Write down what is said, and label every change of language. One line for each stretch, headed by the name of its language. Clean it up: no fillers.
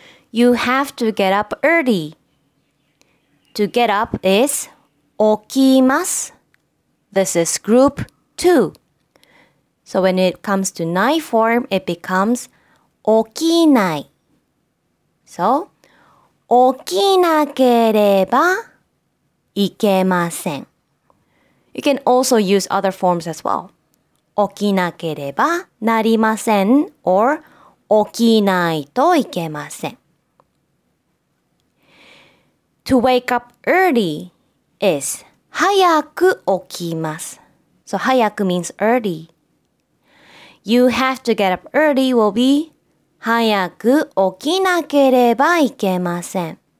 English: You have to get up early. To get up is
Japanese: 起きます。
English: This is group 2. So when it comes to ない form, it becomes
Japanese: 起きない。
English: So,
Japanese: 起きなければいけません。
English: You can also use other forms as well.
Japanese: 起きなければなりません
English: or
Japanese: 起きないといけません。
English: To wake up early is
Japanese: 早く起きます。
English: So 早く means early. You have to get up early will be
Japanese: 早く起きなければいけません。